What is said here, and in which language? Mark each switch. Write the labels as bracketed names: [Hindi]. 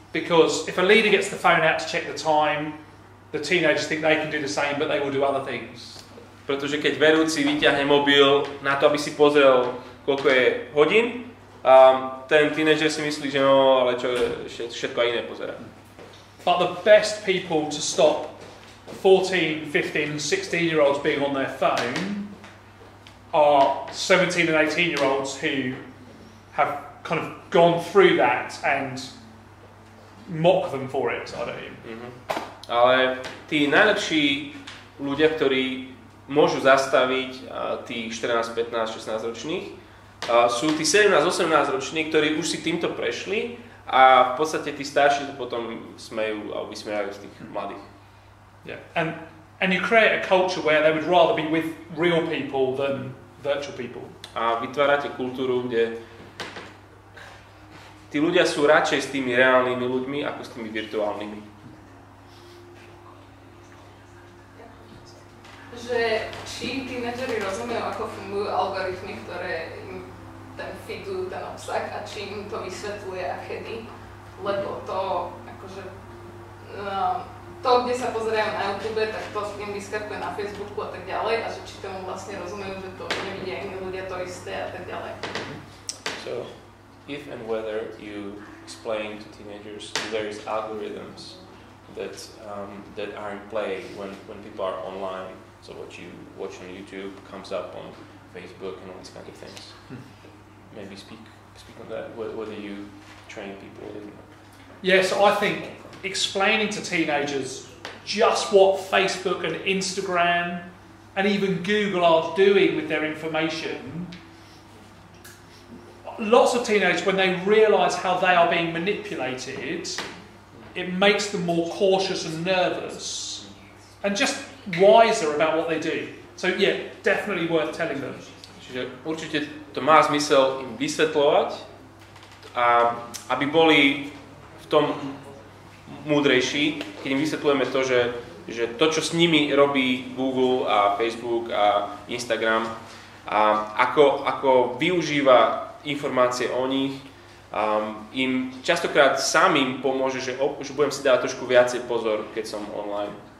[English] Because if a leader gets the phone out to check the time, the teenagers think they can do the same, but they will do other things. [Slovak] Pretože keď vedúci vyťahne mobil na to, aby si pozrel, koľko je hodín, a ten tínedžer si myslí, že no, ale čo, všetko iné pozera. [English] But the best people to stop 14, 15, 16 year olds being on their phone are 17 and 18 year olds who have kind of gone through that and mock them for it, I don't know. Mm-hmm. [Slovak] Ale tí najlepší ľudia, ktorí môžu zastaviť tých 14, 15, 16 ročných, sú tí 17, 18 roční, ktorí už si týmto prešli a v podstate tí starší to potom smejú a vysmejajú z tých mladých. [English] Yeah. And you create a culture where they would rather be with real people than virtual people. [Slovak] A vytvárate kultúru, kde tí ľudia sú radšej s tými reálnymi ľuďmi ako s tými virtuálnymi. Že či tínedžeri rozumejú, ako fungujú algoritmy, ktoré im tam feedujú ten obsah a či im to vysvetľuje a kedy. Lebo to, akože, to, kde sa pozerajú na YouTube, tak to s tým vyskakuje na Facebooku a tak ďalej. A že či tomu vlastne rozumejú, že to nevidia iní ľudia to isté a tak ďalej. [English] So, if and whether you explain to teenagers there is algorithms that that are in play when people are online, so what you watch on YouTube comes up on Facebook and all these kind of things. Maybe speak on that, whether you train people or not. Yeah, so I think explaining to teenagers just what Facebook and Instagram and even Google are doing with their information, lots of teenagers, when they realize how they are being manipulated, it makes them more cautious and nervous and just wiser about what they do. So yeah, definitely worth telling them. [Slovak] Čiže určite to má zmysel im vysvetľovať, a aby boli v tom múdrejší, keď im vysvetľujeme to, že to, čo s nimi robí Google a Facebook a Instagram, a ako využíva informácie o nich, im častokrát samým pomôže, že budem si dávať trošku viacej pozor, keď som online.